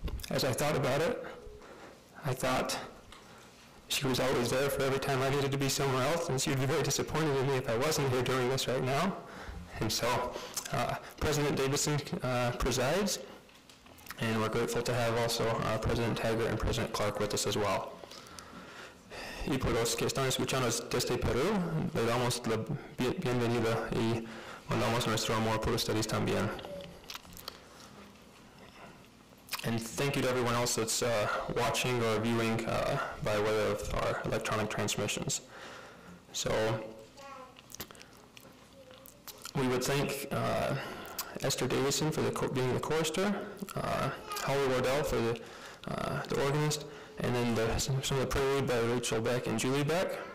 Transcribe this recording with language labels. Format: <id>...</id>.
<en>As I thought about it, I thought she was always there for every time I needed to be somewhere else, and she'd be very disappointed in me if I wasn't here doing this right now. And so President Davidson presides, and we're grateful to have also President Tiger and President Clark with us as well.</en> <es>Y por los que están escuchándonos desde Perú, le damos la bienvenida y mandamos nuestro amor por ustedes también.</es> <en>And thank you to everyone else that's watching or viewing by way of our electronic transmissions. So we would thank Esther Davidson for being the chorister, Holly Wardell for the organist, and then some of the prayer lead by Rachel Beck and Julie Beck.</en>